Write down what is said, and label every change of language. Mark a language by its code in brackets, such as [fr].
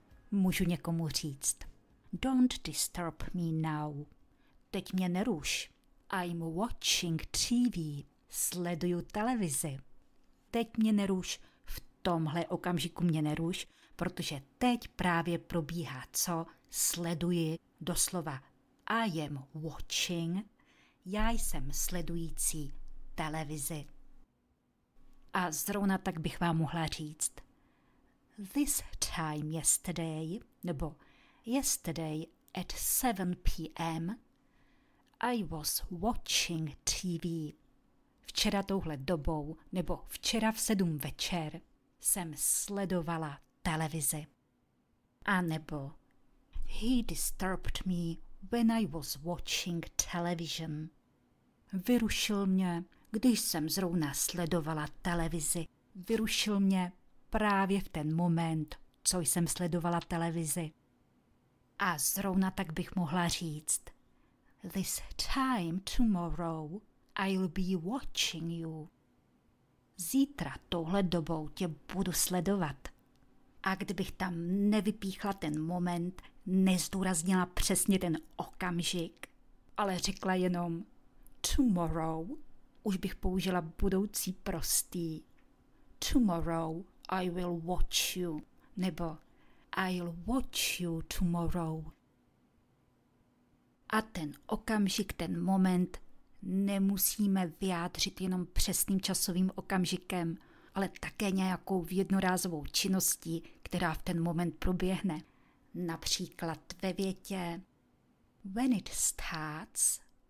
[cs] Můžu někomu říct, [en] don't disturb me now, [cs] teď mě neruš, [en] I'm watching TV, [cs] sleduju televizi, teď mě neruš, v tomhle okamžiku mě neruš, protože teď právě probíhá co? Sleduji doslova [en] I am watching. [cs] Já jsem sledující televizi. A zrovna tak bych vám mohla říct. [en] This time yesterday, nebo yesterday at 7 p.m. I was watching TV. [cs] Včera touhle dobou, nebo včera v 7 večer, jsem sledovala televizi. A nebo [en] he disturbed me when I was watching television. [cs] Vyrušil mě, když jsem zrovna sledovala televizi. Vyrušil mě právě v ten moment, co jsem sledovala televizi. A zrovna tak bych mohla říct [en] this time tomorrow I'll be watching you. [cs] Zítra touhle dobou tě budu sledovat. A kdybych tam nevypíchla ten moment, nezdůraznila přesně ten okamžik, ale řekla jenom tomorrow, už bych použila budoucí prostý. [en] Tomorrow I will watch you, nebo I'll watch you tomorrow. [cs] A ten okamžik, ten moment, nemusíme vyjádřit jenom přesným časovým okamžikem, ale také nějakou jednorázovou činností, která v ten moment proběhne. Například ve větě [en] When it starts,